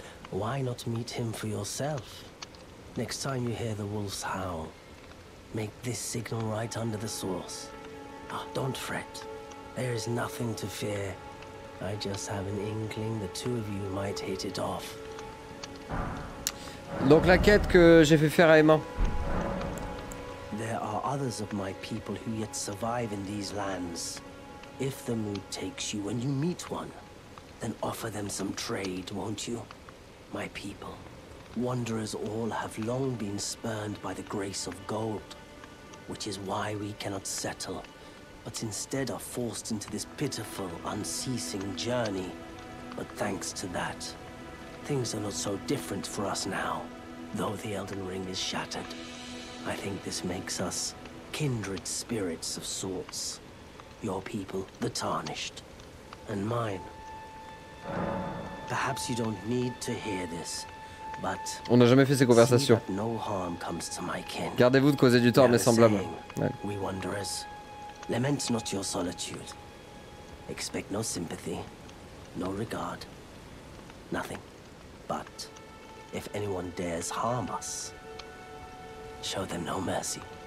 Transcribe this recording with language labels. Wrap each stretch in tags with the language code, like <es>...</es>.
<en>Why not meet him for yourself? Next time you hear the wolves howl, make this signal right under the source. Oh, don't fret. There is nothing to fear. I just have an inkling the two of you might hit it off.</en> <fr>Donc la quête que j'ai fait faire à Emma.</fr> <en>There are others of my people who yet survive in these lands. If the mood takes you when you meet one, then offer them some trade, won't you? My people, wanderers all have long been spurned by the grace of gold, which is why we cannot settle, but instead are forced into this pitiful, unceasing journey. But thanks to that, things are not so different for us now, though the Elden Ring is shattered. I think this makes us kindred spirits of sorts. Your people, the Tarnished, and mine. Perhaps you don't need to hear this, but</en> <fr>on n'a jamais fait ces conversations.</fr> <en>No harm comes to my kin.</en> <fr>Gardez-vous de causer du tort à mes semblables.</fr> <en>We wanderers, lament not your solitude. Expect no sympathy, no regard, nothing. But if anyone dares harm us, show them no mercy.</en>